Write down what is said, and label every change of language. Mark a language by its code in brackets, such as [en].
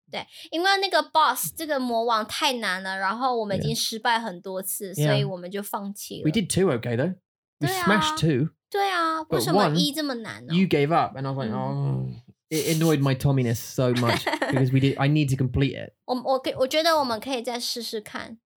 [zh] 对，因为那个 boss 这个魔王太难了，然后我们已经失败很多次，所以我们就放弃了。 [en] We did two okay though. We smashed two. [zh] 对啊，为什么一这么难呢？ [en] You gave up and I was like, oh, it annoyed my Tominess so much because we did. I need to complete it. [zh] 我觉得我们可以再试试看。